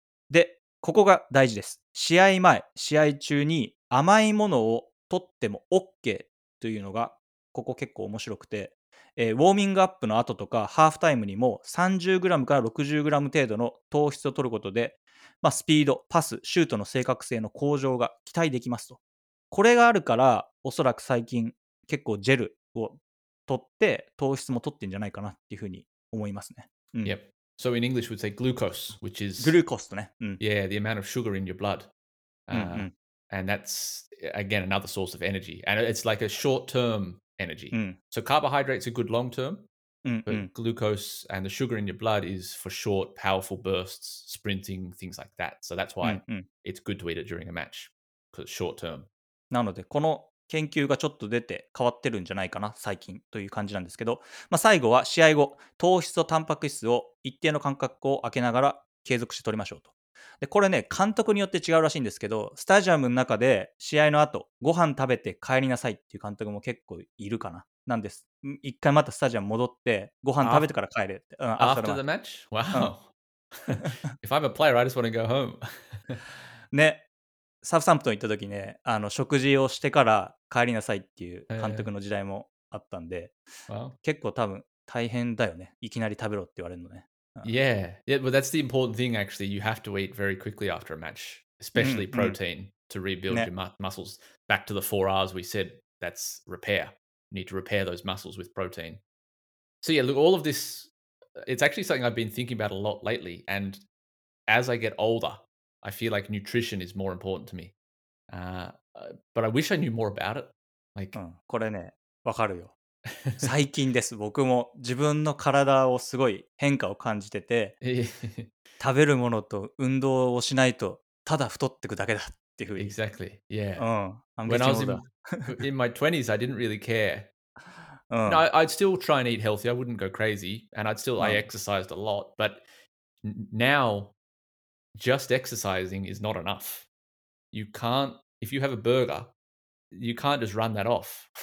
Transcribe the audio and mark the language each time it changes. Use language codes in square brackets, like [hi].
[ja] で、ここが大事です。試合前、試合中に甘いものを取っても OK というのが、ここ結構面白くて、ウォーミングアップの後とか、ハーフタイムにも30グラムから60グラム程度の糖質を取ることで、まあ、スピード、パス、シュートの正確性の向上が期待できますと。これがあるからおそらく最近結構ジェルを取って糖質も取ってんじゃないかなっていうふうに思いますね。 [en] Yep. So in English we'd say glucose, which is [ja] glucose ね。 [en] Yeah, the amount of sugar in your blood. And that's again another source of energy. And it's like a short-term energy. So carbohydrates are good long-term, but glucose and the sugar in your blood is for short, powerful bursts, sprinting, things like that. So that's why it's good to eat it during a match, because it's short-term. [ja] なのでこの研究がちょっと出て変わってるんじゃないかな最近という感じなんですけど、まあ、最後は試合後糖質とタンパク質を一定の間隔を空けながら継続して取りましょうと。でこれね監督によって違うらしいんですけど、スタジアムの中で試合の後ご飯食べて帰りなさいっていう監督も結構いるかな。なんです一回またスタジアム戻ってご飯食べてから帰れって [en] After the match? Wow. If I'm a player I just want to go home. [ja] ねサフサンプトン行った時ね、あの食事をしてから帰りなさいっていう監督の時代もあったんで、結構多分大変だよね。いきなり食べろって言われるのね。 [en] Yeah. Yeah, well, that's the important thing, actually. You have to eat very quickly after a match, especially protein to rebuild your muscles. Back to the 4 hours we said, that's repair. You need to repair those muscles with protein. So yeah, look, all of this, it's actually something I've been thinking about a lot lately. And as I get older, I feel like nutrition is more important to me. But I wish I knew more about it. Like, [ja] これね、わかるよ。最近です。僕も自分の体をすごい変化を感じてて、食べるものと運動をしないとただ太ってくだけだっていうふうに。 [en] Exactly. Yeah. I'm getting older. When I was in my 20s, I didn't really care. I'd still try and eat healthy. I wouldn't go crazy. And I'd still, I exercised a lot. But now, just exercising is not enough. You can't, if you have a burger, you can't just run that off.